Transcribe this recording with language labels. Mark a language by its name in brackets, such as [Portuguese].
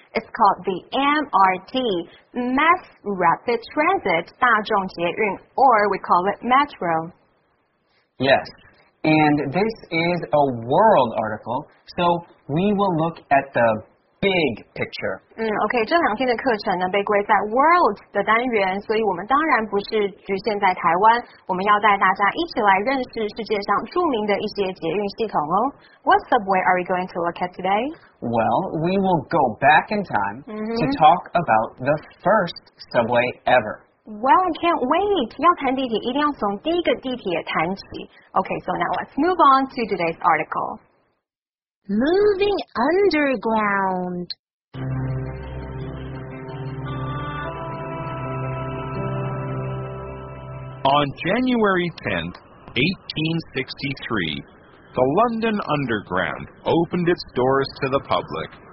[English] It's called the MRT, Mass Rapid Transit, 大众捷运, or we call it Metro. Yes. And this is a world article, so we will look at the big picture. [Chinese] Okay, 这两天的课程呢被归在 world 的单元，所以我们当然不是局限在台湾，我们要带大家一起来认识世界上著名的一些捷运系统哦。 [English] What subway are we going to look at today? Well, we will go back in time to talk about the first subway ever. Well, I can't wait. [Chinese] 要谈地铁，一定要从第一个地铁谈起。 [English] Okay, so now let's move on to today's article. Moving underground. On January 10th, 1863, the London Underground opened its doors to the public.